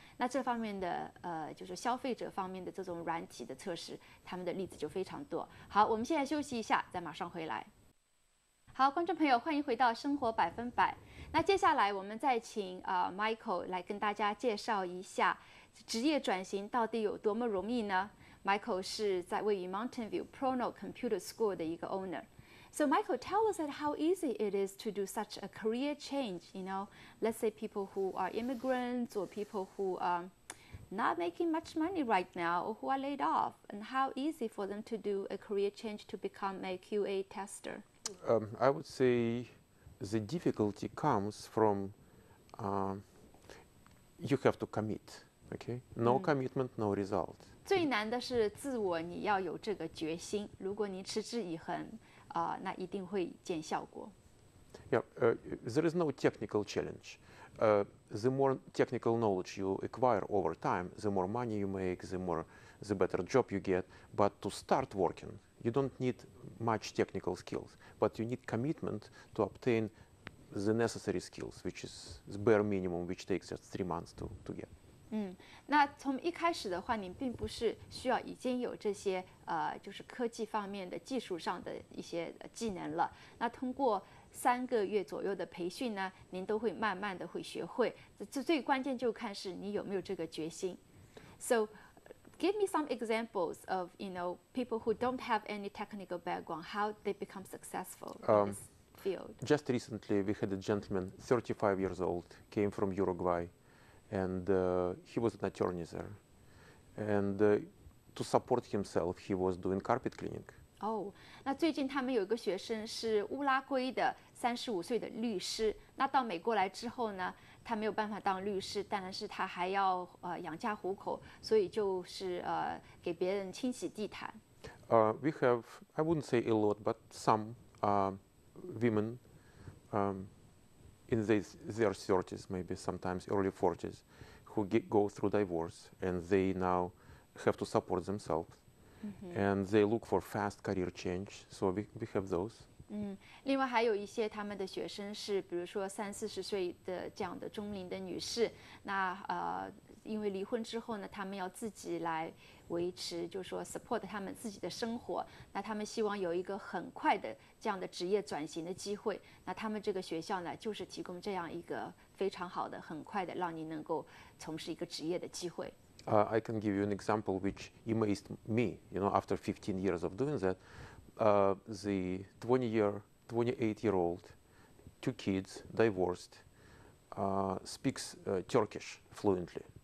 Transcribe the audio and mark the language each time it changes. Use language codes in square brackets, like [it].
[zh] 那这方面的就是消费者方面的这种软体的测试，他们的例子就非常多。好，我们现在休息一下，再马上回来。好，观众朋友，欢迎回到生活百分百。那接下来我们再请Michael 来跟大家介绍一下职业转型到底有多么容易呢？ Michael 是在位于 Mountain View Prono Computer School 的一个 owner。 [en] So Michael, tell us that how easy it is to do such a career change, you know, let's say people who are immigrants or people who are not making much money right now or who are laid off, and how easy for them to do a career change to become a QA tester? I would say the difficulty comes from you have to commit, okay? No commitment, no result. [zh] 最难的是自我，你要有这个决心，如果你持之以恒那一定会见效果。 [en] There is no technical challenge. The more technical knowledge you acquire over time, the more money you make, the better job you get. But to start working, you don't need much technical skills, but you need commitment to obtain the necessary skills, which is the bare minimum, which takes just 3 months to get. [zh] 那从一开始的话，您并不是需要已经有这些就是科技方面的技术上的一些技能了。那通过3个月左右的培训呢，您都会慢慢的会学会。这最关键就看是你有没有这个决心。 [en] So, give me some examples of you know people who don't have any technical background, how they become successful in this field. Just recently, we had a gentleman, 35 years old, came from Uruguay. And he was an attorney there. And to support himself, he was doing carpet cleaning. [zh] Oh, 那最近他们有一个学生是乌拉圭的35岁的律师。那到美国来之后呢，他没有办法当律师，但是他还要养家糊口，所以就是给别人清洗地毯。 [en] We have, I wouldn't say a lot, but some women. In their 30s, maybe sometimes early 40s, who go through divorce and they now have to support themselves, and they look for fast career change. So we have those. [zh] 另外还有一些他们的学生是，比如说30-40岁的这样的中年的女士，那因为离婚之后呢，他们要自己来维持，就是说 support 他们自己的生活。那他们希望有一个很快的这样的职业转型的机会。那他们这个学校呢，就是提供这样一个非常好的、很快的，让你能够从事一个职业的机会。 [en] I can give you an example which amazed me. You know, after 15 years of doing that, the 28-year-old, two kids, divorced, speaks Turkish fluently.